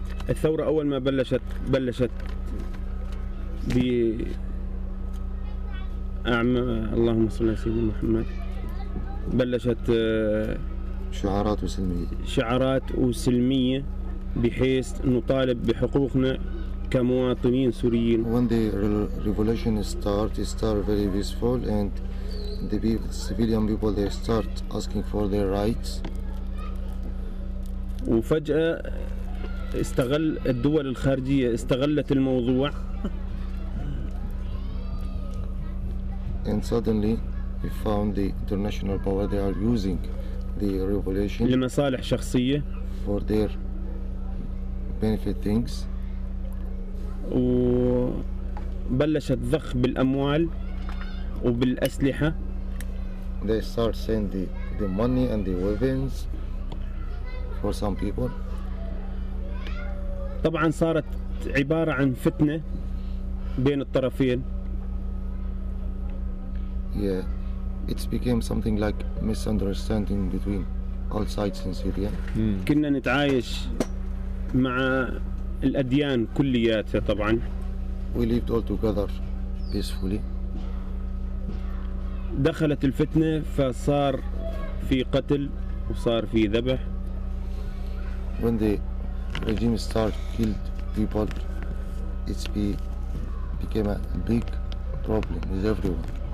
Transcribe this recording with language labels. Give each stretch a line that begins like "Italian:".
Arabic: الثورة أول ما بلشت ب. أعمى اللهم صل على سيدنا محمد بلشت شعارات وسلمية بحيث نطالب بحقوقنا كمواطنين سوريين.
English: When the revolution start very peaceful and the civilian people they start asking for their rights.
Arabic: وفجأة استغل الدول الخارجية استغلت الموضوع.
English: And suddenly, we found the international power. They are using the revolution
Arabic: لمصالح شخصية
English: for their benefit things.
Arabic: وبلشت ضخ بالأموال وبالأسلحة.
English: They start sending the money and the weapons for some people.
Arabic: طبعاً صارت عبارة عن فتنة بين الطرفين.
English: Yeah, it became something like misunderstanding between all sides in Syria.
Arabic: كنا نتعايش مع الأديان كلياتها طبعاً.
English: We lived all together peacefully.
Arabic: دخلت الفتنة فصار في قتل وصار في ذبح.
English: When the regime started killed people, it became a big problem with everyone.